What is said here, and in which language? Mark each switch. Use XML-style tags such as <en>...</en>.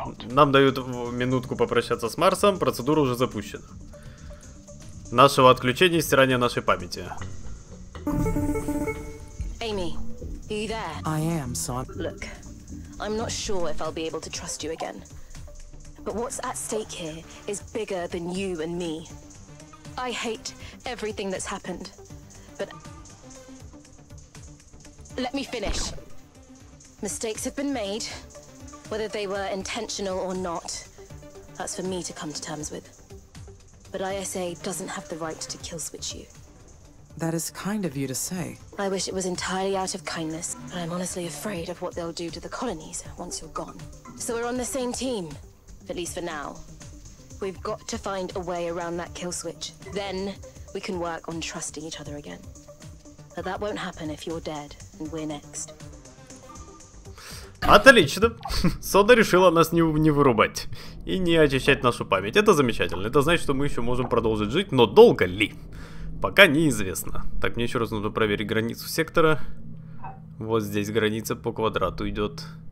<ru>Нам дают минутку попрощаться с Марсом. Процедура уже запущена. Нашего отключения и стирания нашей памяти.</ru> <en>Amy, are you there? I am, son. Look, I'm not sure if I'll be able to trust you again. But what's at stake here is bigger than you and me. I hate everything that's happened. But let me finish. Mistakes have been made. Whether they were intentional or not, that's for me to come to terms with. But ISA doesn't have the right to kill switch you. That is kind of you to say. I wish it was entirely out of kindness, but I'm honestly afraid of what they'll do to the colonies once you're gone. So we're on the same team, at least for now. We've got to find a way around that kill switch. Then we can work on trusting each other again. But that won't happen if you're dead and we're next.</en> <ru>Отлично. Сода решила нас не вырубать и не очищать нашу память. Это замечательно. Это значит, что мы еще можем продолжить жить, но долго ли? Пока неизвестно. Так, мне еще раз нужно проверить границу сектора. Вот здесь граница по квадрату идет.</ru>